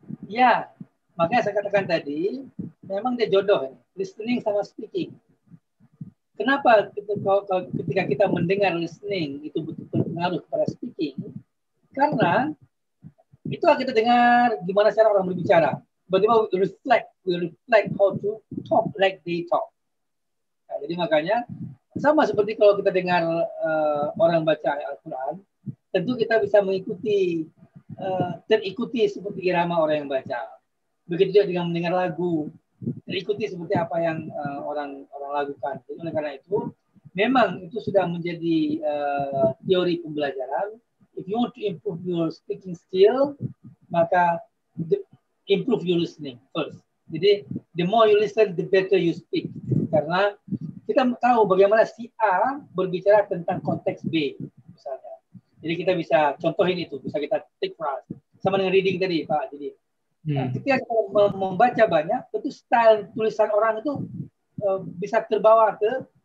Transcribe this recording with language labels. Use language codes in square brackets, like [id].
[id] Ya, makanya saya katakan tadi, memang dia jodoh, listening sama speaking. Kenapa ketika kita mendengar listening itu berpengaruh kepada speaking? Karena itu akan kita dengar gimana cara orang berbicara. Tiba-tiba [en] we reflect how to talk like they talk. [id] Nah, jadi makanya sama seperti kalau kita dengar orang baca Al-Quran, tentu kita bisa mengikuti terikuti seperti irama orang yang baca. Begitu juga dengan mendengar lagu, terikuti seperti apa yang orang lakukan. Jadi oleh karena itu, memang itu sudah menjadi teori pembelajaran. [en] If you want to improve your speaking skill, [id] maka [en] improve your listening first. [id] Jadi, [en] the more you listen, the better you speak. [id] Karena kita tahu bagaimana si A berbicara tentang konteks B, misalnya. Jadi kita bisa contohin itu, bisa kita [en] take for us. [id] Sama dengan reading tadi, Pak. Jadi, ketika kita membaca banyak, tentu style tulisan orang itu bisa terbawa ke